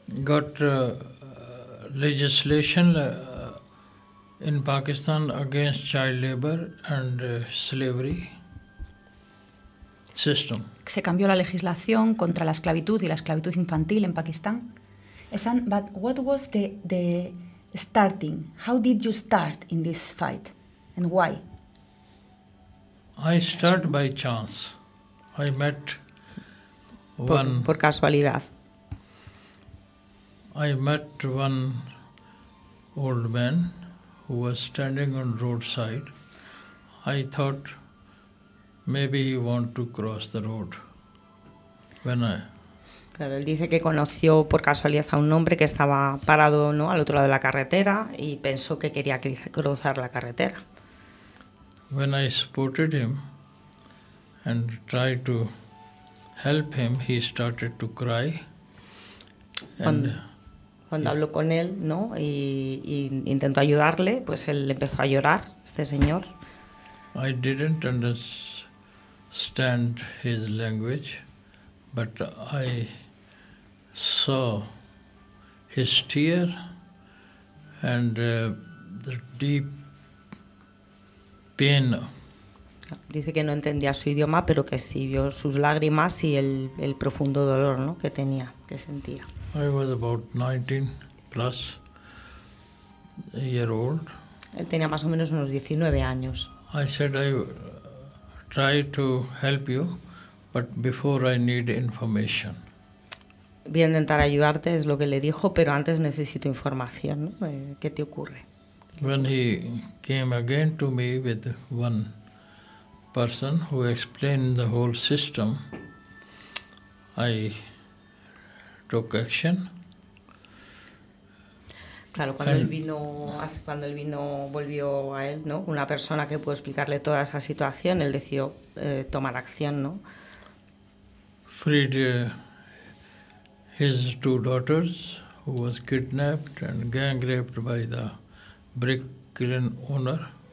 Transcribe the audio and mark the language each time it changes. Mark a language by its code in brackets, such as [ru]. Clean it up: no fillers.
[en] Got legislation in Pakistan against child labor and slavery system. [es] Se cambió la legislación contra la esclavitud y la esclavitud infantil en Pakistán. [en] But what was the starting? How did you start in this fight? And why? I start by chance. I met one. [es] Por casualidad. [en] I met one old man who was standing on roadside. I thought maybe he want to cross the road. [es] Claro, él dice que conoció por casualidad a un hombre que estaba parado, ¿no?, al otro lado de la carretera y pensó que quería cruzar la carretera. [en] When I supported him and tried to help him, he started to cry. [es] Cuando habló con él, ¿no?, y intentó ayudarle, pues él empezó a llorar, este señor. [en] I didn't understand his language, but I saw his tear and the deep pain. [es] Dice que no entendía su idioma, pero que sí vio sus lágrimas y el profundo dolor, ¿no?, que tenía, que sentía. [en] I was about 19 plus year old. [es] Él tenía más o menos unos 19 años. [en] I said I try to help you, but before I need information. [es] Voy a intentar ayudarte, es lo que le dijo, pero antes necesito información, ¿no? ¿Qué te ocurre? [en] When he came again to me with one person who explained the whole system, I took action. [es] Claro, cuando él volvió a él, ¿no?, una persona que pudo explicarle toda esa situación, él decidió tomar acción, ¿no? [en] Freed his two daughters who was kidnapped and gang raped by the brick-kiln owner.